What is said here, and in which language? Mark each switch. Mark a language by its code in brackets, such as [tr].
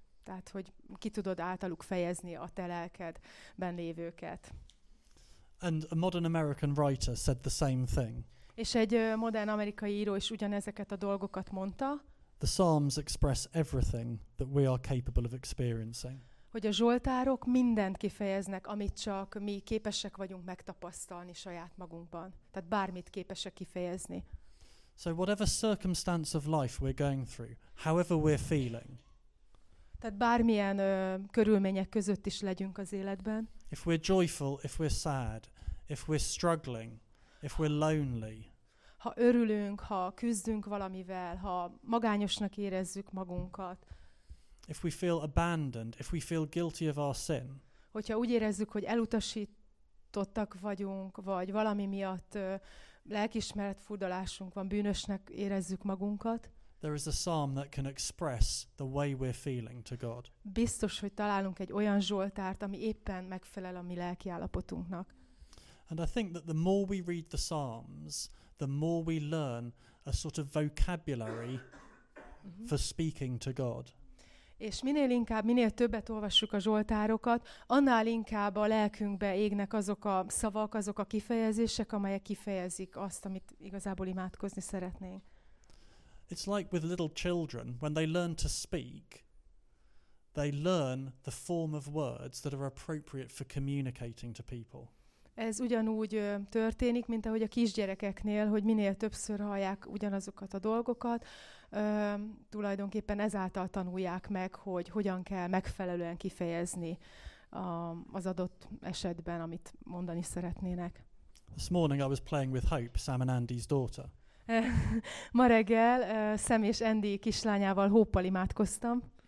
[hu] Tehát, hogy ki tudod általuk fejezni a te lelkedben lévőket. [en] And a modern American writer said the same thing. [hu] És egy modern amerikai író is ugyanezeket a dolgokat mondta. [en] The Psalms express everything that we are capable of experiencing. [hu] Hogy a zsoltárok mindent kifejeznek, amit csak mi képesek vagyunk megtapasztalni saját magunkban. Tehát bármit képesek kifejezni. [en] So whatever circumstance of life we're going through, however we're feeling. [hu] Tehát bármilyen körülmények között is legyünk az életben. [en] If we're joyful, if we're sad, if we're struggling, if we're lonely. [hu] Ha örülünk, ha küzdünk valamivel, ha magányosnak érezzük magunkat. [en] If we feel abandoned, if we feel guilty of our sin. [hu] Hogyha úgy érezzük, hogy elutasítottak vagyunk, vagy valami miatt lelkiismeret furdalásunk van, bűnösnek érezzük magunkat. [en] There is a psalm that can express the way we're feeling to God. [hu] Biztos, hogy találunk egy olyan zsoltárt, ami éppen megfelel a mi lelki állapotunknak. [en] And I think that the more we read the psalms, the more we learn a sort of vocabulary for speaking to God. [hu] És minél inkább, minél többet olvassuk a zsoltárokat, annál inkább a lelkünkbe égnek azok a szavak, azok a kifejezések, amelyek kifejezik azt, amit igazából imádkozni szeretnénk. [en] It's like with little children, when they learn to speak, they learn the form of words that are appropriate for communicating to people. [hu] Ez ugyanúgy történik, mint ahogy a kisgyerekeknél, hogy minél többször hallják ugyanazokat a dolgokat, tulajdonképpen ezáltal tanulják meg, hogy hogyan kell megfelelően kifejezni az adott esetben, amit mondani szeretnének. [en] This morning I was playing with Hope, Sam and Andy's daughter. [hu] Ma reggel Sam és Andy kislányával, Hope-pal imádkoztam.